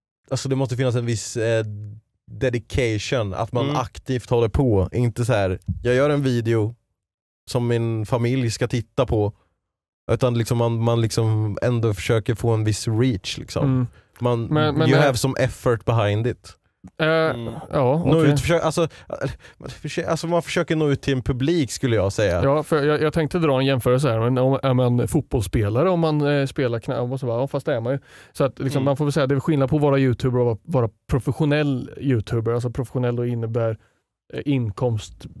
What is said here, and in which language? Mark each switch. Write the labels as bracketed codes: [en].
[sv] alltså det måste finnas en viss dedication, att man aktivt håller på, inte så här jag gör en video som min familj ska titta på, utan liksom man liksom ändå försöker få en viss reach liksom. [en] Man men have some effort behind it. [sv] Ja, okay. Man försöker nå ut till en publik, skulle jag säga. Ja, för jag tänkte dra en jämförelse här, men om är man fotbollsspelare, om man spelar knä och så bara, fast det är man ju. Så att liksom, man får väl säga att det är skillnad på att vara YouTuber och vara professionell YouTuber. Alltså professionell då innebär inkomst.